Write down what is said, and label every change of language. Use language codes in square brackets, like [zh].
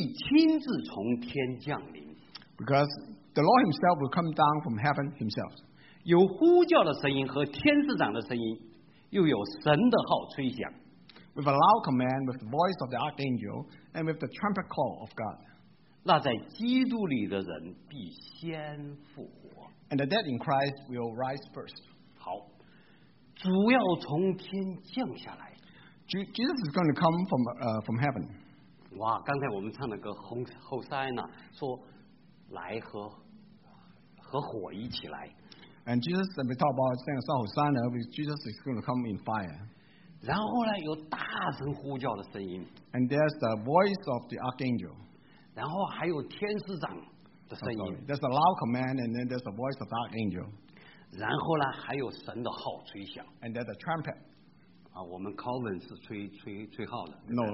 [zh] 然后，那么他是怎么来呢？因为主必亲自从天降临。 [en] Because the Lord Himself will come down from heaven Himself. [zh] 有呼叫的声音和天使长的声音，又有神的号吹响。 [en] With a loud command, with the voice of the archangel, and with the trumpet call of God. [zh] 那在基督里的人必先复活。 [en] And the dead in Christ will rise first. [zh] 好。主要从天降下来。 [en] Jesus is going to come from heaven. [zh] 哇, 刚才我们唱的歌, Hosanna, 说, 来和火一起来。 [en] And Jesus, and we talk about saying Hosanna, Jesus is going to come in fire. [zh] 然后呢, 有大声呼叫的声音。 [en] And there's the voice of the archangel. [zh] 然后还有天使长的声音。 [en] There's a loud command, and then there's the voice of the archangel. [zh] 然后呢，还有神的号吹响。 [en] And that's a trumpet. [zh] 啊，我们 Colin 是吹号的。 [en] No,